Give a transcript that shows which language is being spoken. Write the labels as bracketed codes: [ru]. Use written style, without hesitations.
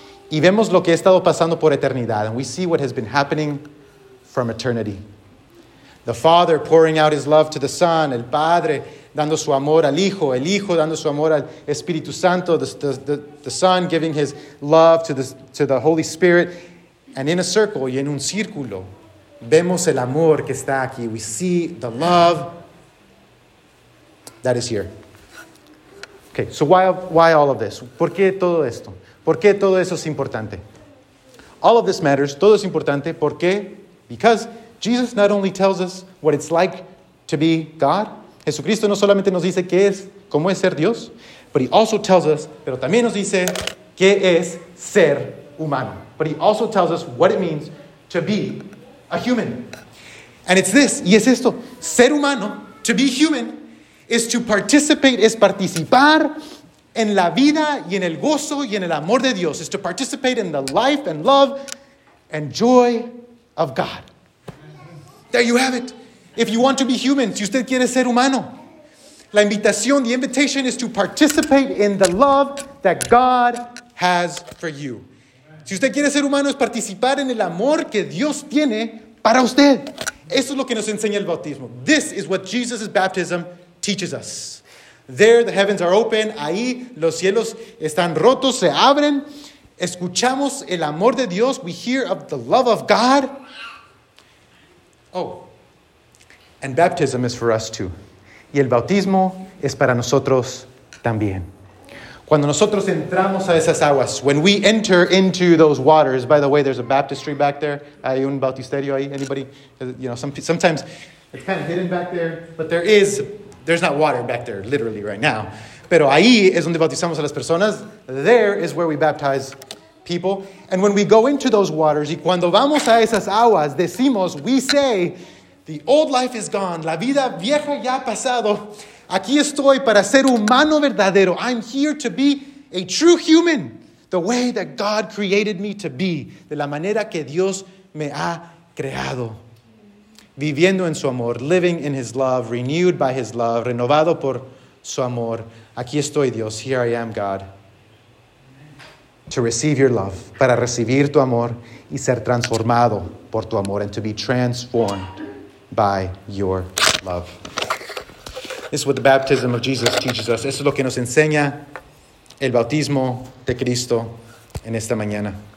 [es] Y vemos lo que ha estado pasando por eternidad. [en] And we see what has been happening from eternity. The Father pouring out his love to the Son. [es] El Padre dando su amor al Hijo. El Hijo dando su amor al Espíritu Santo. [en] The Son giving his love to the Holy Spirit. And in a circle, [es] y en un círculo, vemos el amor que está aquí. [en] We see the love that is here. Okay, so why all of this? [es] ¿Por qué todo esto? ¿Por qué todo eso es importante? [en] All of this matters. [es] Todo es importante. ¿Por qué? [en] Because Jesus not only tells us what it's like to be God. [es] Jesucristo no solamente nos dice qué es, cómo es ser Dios. [en] But he also tells us, [es] pero también nos dice qué es ser humano. [en] But he also tells us what it means to be a human. And it's this, [es] y es esto. Ser humano, [en] to be human, is to participate, [es] es participar en la vida y en el gozo y en el amor de Dios. [en] It's to participate in the life and love and joy of God. There you have it. If you want to be human, [es] si usted quiere ser humano, la invitación, [en] the invitation is to participate in the love that God has for you. [es] Si usted quiere ser humano, es participar en el amor que Dios tiene para usted. Eso es lo que nos enseña el bautismo. [en] This is what Jesus' baptism teaches us. There the heavens are open. [es] Ahí los cielos están rotos, se abren. Escuchamos el amor de Dios. [en] We hear of the love of God. Oh, and baptism is for us too. [es] Y el bautismo es para nosotros también. Cuando nosotros entramos a esas aguas, [en] when we enter into those waters, by the way, there's a baptistry back there. [es] Hay un bautisterio ahí. [en] Anybody, you know, sometimes it's kind of hidden back there, but there's not water back there, literally, right now. [es] Pero ahí es donde bautizamos a las personas. [en] There is where we baptize people. And when we go into those waters, [es] y cuando vamos a esas aguas, decimos, [en] we say, the old life is gone. [es] La vida vieja ya ha pasado. Aquí estoy para ser humano verdadero. [en] I'm here to be a true human, the way that God created me to be, [es] de la manera que Dios me ha creado. Viviendo en su amor, [en] living in his love, renewed by his love, [es] renovado por su amor. Aquí estoy, Dios. [en] Here I am, God. To receive your love, [es] para recibir tu amor [en] y ser transformado por tu amor, and to be transformed by your love. This is what the baptism of Jesus teaches us. [es] Esto es lo que nos enseña el bautismo de Cristo en esta mañana.